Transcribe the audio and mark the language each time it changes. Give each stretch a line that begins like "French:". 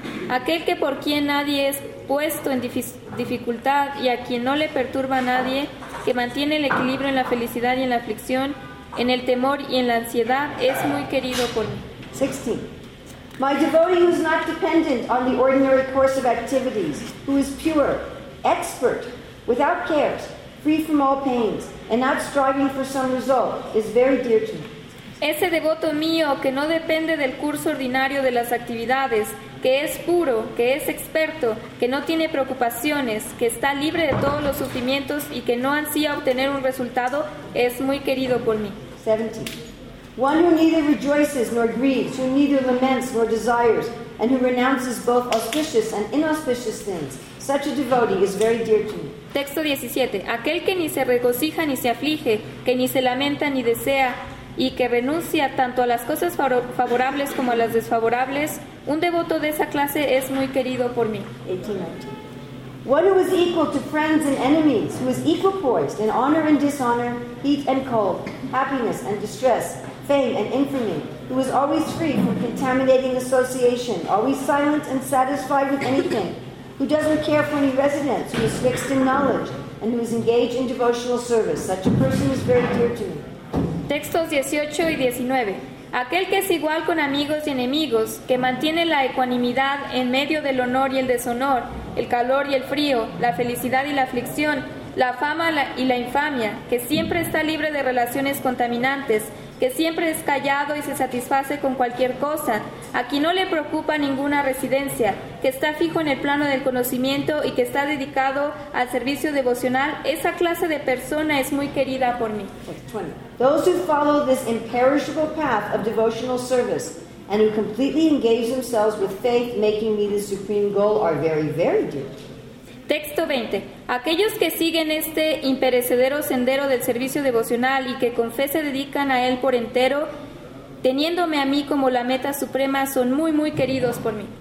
Spanish: Aquel que por quien nadie es puesto en dificultad y a quien no le perturba a nadie, que mantiene el equilibrio en la felicidad y en la aflicción, en el temor y en la ansiedad, es muy querido por mí.
English: 16. My devotee who is not dependent on the ordinary course of activities, who is pure, expert, without cares, free from all pains, and not striving for some result, is very dear to me.
Spanish: Ese devoto mío que no depende del curso ordinario de las actividades, que es puro, que es experto, que no tiene preocupaciones, que está libre de todos los sufrimientos y que no ansía obtener un resultado, es muy querido por mí.
English: 17. One who neither rejoices nor grieves, who neither laments nor desires, and who renounces both auspicious and inauspicious things, such a devotee is very dear to me.
Spanish: Texto 17. Aquel que ni se regocija ni se aflige, que ni se lamenta ni desea, y que renuncia tanto a las cosas favorables como a las desfavorables, un devoto de esa clase es muy querido por mí.
English: 18:19. One who is equal to friends and enemies, who is equal poised in honor and dishonor, heat and cold, happiness and distress, fame and infamy, who is always free from contaminating association, always silent and satisfied with anything, who doesn't care for any residence, who is fixed in knowledge, and who is engaged in devotional service, such a person is very dear to me.
Spanish: Textos 18 y 19. Aquel que es igual con amigos y enemigos, que mantiene la ecuanimidad en medio del honor y el deshonor, el calor y el frío, la felicidad y la aflicción, la fama y la infamia, que siempre está libre de relaciones contaminantes, que siempre es callado y se satisface con cualquier cosa, a quien no le preocupa ninguna residencia, que está fijo en el plano del conocimiento y que está dedicado al servicio devocional, esa clase de persona es muy querida por mí.
English: 20. Those who follow this imperishable path of devotional service and who completely engage themselves with faith, making me the supreme goal, are very, very dear.
Spanish: Texto 20. Aquellos que siguen este imperecedero sendero del servicio devocional y que con fe se dedican a él por entero, teniéndome a mí como la meta suprema, son muy, muy queridos por mí.